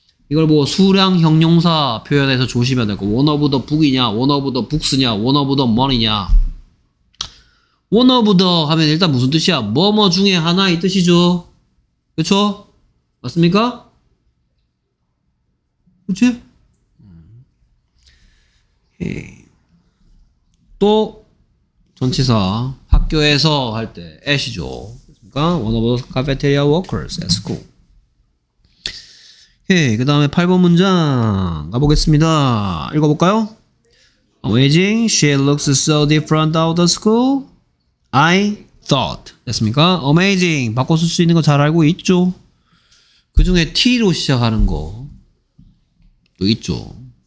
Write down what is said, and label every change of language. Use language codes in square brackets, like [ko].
[ko] 이걸 뭐 수량 형용사 표현해서 조심해야 될 거. [en] One of the book이냐, one of the books냐, one of the money냐. One of the [ko] 하면 일단 무슨 뜻이야? 뭐뭐 중에 하나의 뜻이죠. 그쵸? 맞습니까? 그치? 또 전치사 학교에서 할 때 at이죠. 그러니까 [en] one of the cafeteria workers at school. [ko] 오케이, 그 다음에 8번 문장 가보겠습니다. 읽어볼까요? [en] Amazing, she looks so different out of school. I thought. [ko] 됐습니까? Amazing, 바꿔 쓸 수 있는 거 잘 알고 있죠? 그 중에 T로 시작하는 거 또 있죠?